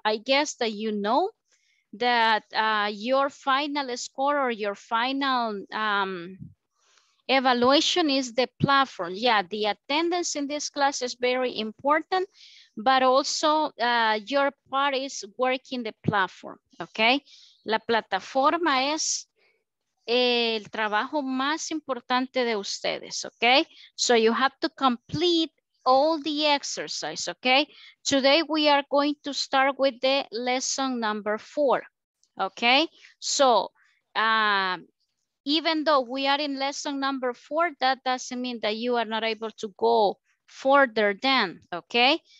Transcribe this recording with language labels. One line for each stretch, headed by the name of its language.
English: I guess that you know that your final score or your final evaluation is the platform. Yeah, the attendance in this class is very important, but also your part is working the platform, okay?
Spanish: La plataforma es el trabajo más importante de ustedes, okay?
English: So you have to complete all the exercise, okay? Today we are going to start with the lesson number 4, okay? So even though we are in lesson number 4, that doesn't mean that you are not able to go further than, okay?